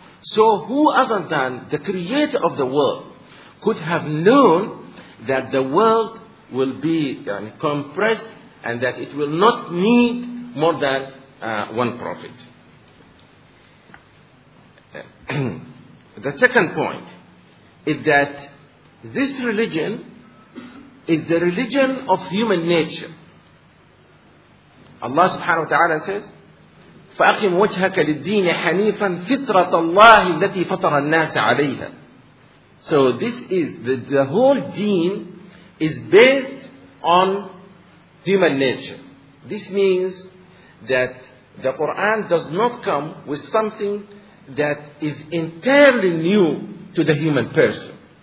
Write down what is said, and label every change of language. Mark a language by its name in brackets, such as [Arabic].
[English] So who other than the creator of the world could have known that the world will be compressed and that it will not need more than one prophet? The second point is that this religion is the religion of human nature. Allah subhanahu wa ta'ala says, [Arabic] فَأَقِمْ وَجْهَكَ لِلدِّينِ حَنِيفًا فِطْرَةَ اللَّهِ الَّتِي فَطَرَ النَّاسَ عَلَيْهَا. [English] So this is, the whole deen is based on human nature. This means that The Quran does not come with something that is entirely new to the human person.